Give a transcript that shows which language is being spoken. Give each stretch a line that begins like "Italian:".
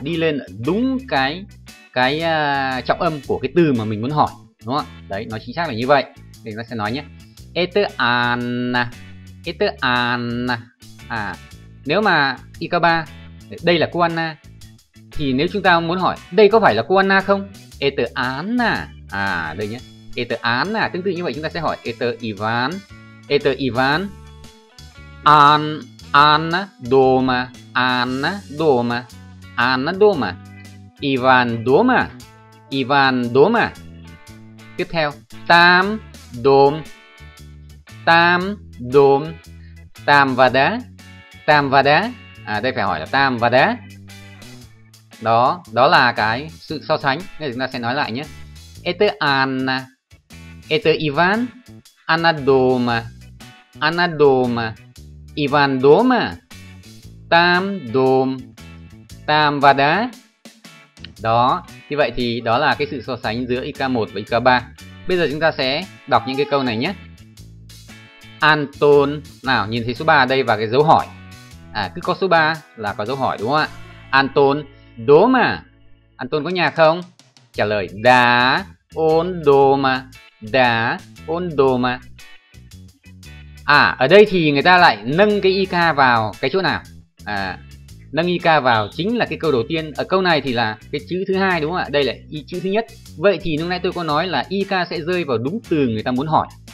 Vietnamese: Đi lên đúng cái trọng âm của cái từ mà mình muốn hỏi, đúng không? Đấy, nó chính xác là như vậy. Thì nó sẽ nói nhé,
Russian: это она, это она.
Vietnamese: À, nếu mà IK3, đây là cô Anna, thì nếu chúng ta muốn hỏi đây có phải là cô Anna không?
Russian: Это она.
Vietnamese: À, đây nhé,
Russian: это она.
Vietnamese: Tương tự như vậy chúng ta sẽ hỏi
Russian: это Иван, это Иван, Анна дома, Анна дома, Анна дома, Иван дома, Иван дома.
Vietnamese: Tiếp theo,
Russian: там дом, там дом, там вода, там вода.
Vietnamese: À, đây phải hỏi là
Russian: там вода.
Vietnamese: Đó, đó là cái sự so sánh. Nên chúng ta sẽ nói lại nhé.
Russian: Это Анна, это Иван, Анна дома, Анна дома, Иван дома, там дом, там вода.
Vietnamese: Đó, như vậy thì đó là cái sự so sánh giữa IK1 và IK3. Bây giờ chúng ta sẽ đọc những cái câu này nhé. Антон, nào, nhìn thấy số 3 ở đây và cái dấu hỏi. À, cứ có số 3 là có dấu hỏi, đúng không ạ?
Russian: Антон дома.
Vietnamese: Антон có nhà không? Trả lời
Russian: да, он дома. Да, он дома.
Vietnamese: À, ở đây thì người ta lại nâng cái IK vào cái chỗ nào? À, nâng IK vào chính là cái câu đầu tiên. Ở câu này thì là cái chữ thứ hai, đúng không ạ? Đây là chữ thứ nhất. Vậy thì lúc nãy tôi có nói là IK sẽ rơi vào đúng từ người ta muốn hỏi.